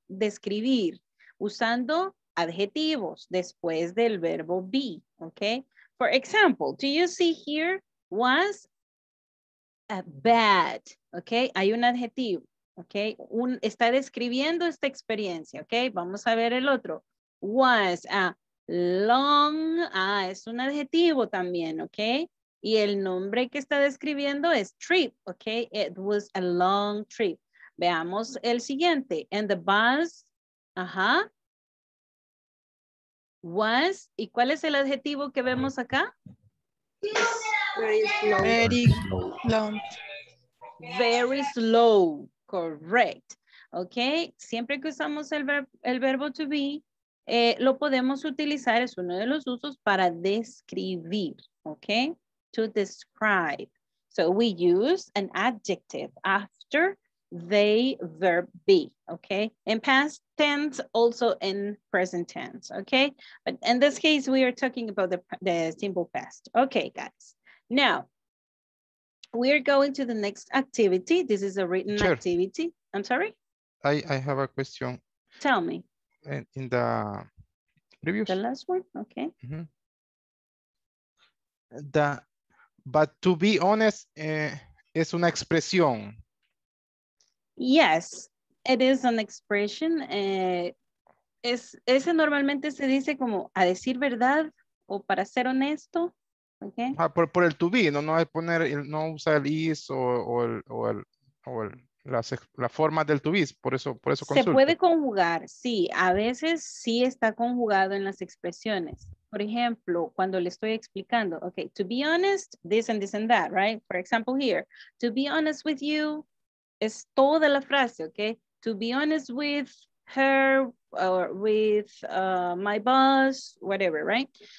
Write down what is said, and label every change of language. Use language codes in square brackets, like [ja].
[es] Describir, usando adjetivos después del verbo be, okay? [en] For example, do you see here was a bad, okay? [es] Hay un adjetivo, okay? Está describiendo esta experiencia, okay? Vamos a ver el otro. [en] Was a long, [es] es un adjetivo también, okay? Y el nombre que está describiendo es trip, okay? [en] It was a long trip. [es] Veamos el siguiente. [en] And the bus, was, [es] ¿y cuál es el adjetivo que vemos acá? [en] Very slow. Very long. Very slow, correct. [es] Okay, siempre que usamos el verbo to be, lo podemos utilizar, es uno de los usos para describir, okay? [en] To describe. So we use an adjective after the verb be, okay? In past tense, also in present tense, okay? But in this case, we are talking about the simple past. Okay, guys. Now, we're going to the next activity. This is a written sure. activity. I'm sorry? I have a question. Tell me. In the previous. The last one, okay. Mm-hmm. But to be honest, [es] es una expresión. [en] Yes, it is an expression. [es] Ese normalmente se dice como a decir verdad o para ser honesto. [en] Okay. [es] Ah, por el to be, no hay poner, no usa el is o el la forma del to be, por eso consulta. Se puede conjugar, sí, a veces sí está conjugado en las expresiones. Por ejemplo, cuando le estoy explicando, okay, [en] to be honest, this and that, right? For example here, to be honest with you, [es] es toda la frase, [en] okay? To be honest with her or with my boss, whatever, right?